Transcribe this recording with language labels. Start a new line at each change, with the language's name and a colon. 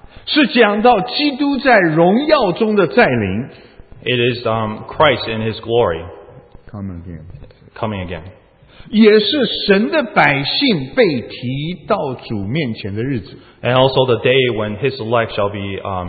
Chinese: 是讲到基督在荣耀中的再临
English: It is Christ in his glory Coming again
Chinese: 也是神的百姓被提到主面前的日子
English: And also the day when his elect shall be